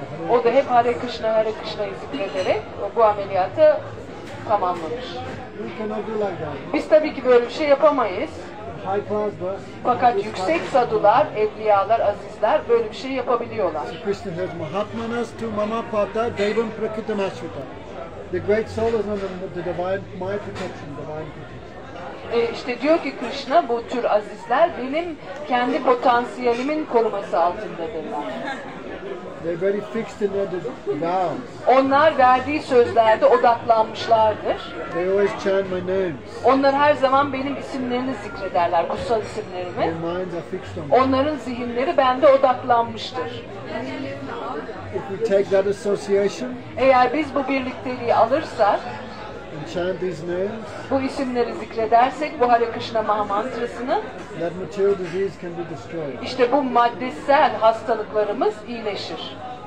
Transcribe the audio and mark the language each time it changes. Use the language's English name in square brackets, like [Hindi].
[Turkish] O da hep Hare Krishna, Hare Krishna'yı zikrederek bu ameliyatı tamamlamış. [English] We cannot do like that. [Turkish] Biz tabii ki böyle bir şey yapamayız. [English] High class boss. [Turkish] Fakat yüksek sadular, evliyalar, azizler böyle bir şey yapabiliyorlar. [English] So Krishna says, [Sanskrit] Mahatmanas tu mama pata devam prakritam asura. [English] The great soul is under the divine my protection, divine protection. [Turkish] İşte diyor ki Krishna, bu tür azizler benim kendi potansiyelimin koruması altındadırlar. [English] They're very fixed in their vows. [Turkish] Onlar verdiği sözlerde odaklanmışlardır. [English] They always chant my names. [Turkish] Onlar her zaman benim isimlerini zikrederler, kutsal isimlerimi. [English] Their minds are fixed on me. [Turkish] Onların zihinleri bende odaklanmıştır. [English] If we take that association, [Turkish] eğer biz bu birlikteliği alırsak, [English] and chant these names, [Turkish] bu isimleri zikredersek, bu Hare Krishna Mahamantrasını, [English] that material disease can be destroyed. [Turkish] İşte bu maddesel hastalıklarımız iyileşir.